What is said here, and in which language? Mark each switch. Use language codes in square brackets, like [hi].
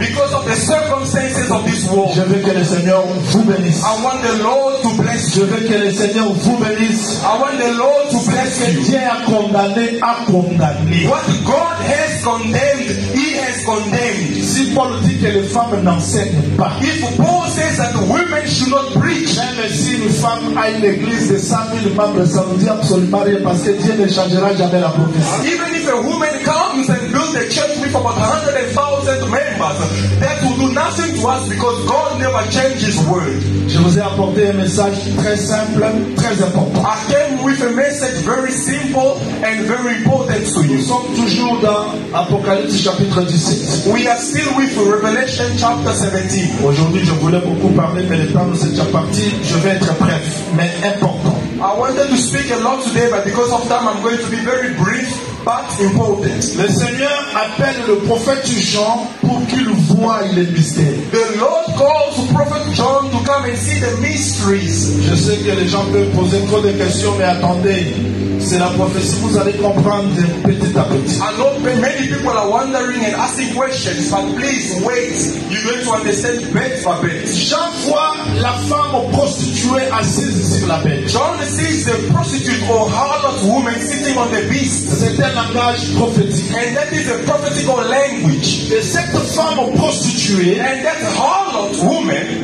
[en] because of the circumstances of this world. [fr] Je veux que le Seigneur vous bénisse. [en] I want the Lord to bless you. [fr] Je veux que le Seigneur vous bénisse. [en] I want the Lord to bless you. [fr] Dieu a condamné, a condamné. [en] What God has condemned, he has condemned. [fr] Si Paul dit que les femmes n'enseignent pas, [en] if Paul says that women should not preach, [fr] même si une femme a une église de 100,000 membres, ça ne dit absolument rien, parce que Dieu ne changera jamais la prophétie. [en] Even if a woman comes and builds a church with about 100,000 members, that will do nothing to us, because God never changes his word. [fr] Je vous ai apporté un message très simple, très important. [en] I came with a message very simple and very important to you. [fr] Nous sommes toujours dans Apocalypse chapitre 17. [en] We are still with Revelation chapter 17. [fr] Aujourd'hui, je voulais beaucoup parler, mais le temps nous est déjà parti. Je vais être bref, mais important. [en] I wanted to speak a lot today, but because of time, I'm going to be very brief, but important. [fr] Le Seigneur appelle le prophète Jean pour qu'il voie les mystères. [en] The Lord calls the prophet John to come and see the mysteries. [fr] Je sais que les gens peuvent poser trop de questions, mais attendez, c'est la prophétie, vous allez comprendre petit à petit. [en] I know many people are wondering and asking questions, but please wait, you're going to understand bit by bit. [fr] Jean voit la femme prostituée assise sur la bête. [en] John sees the prostitute or harlot woman sitting on the beast. [fr] C'est un langage prophétique. [en] And that is a prophetical language. [fr] Et cette femme prostituée, [en] and that harlot woman,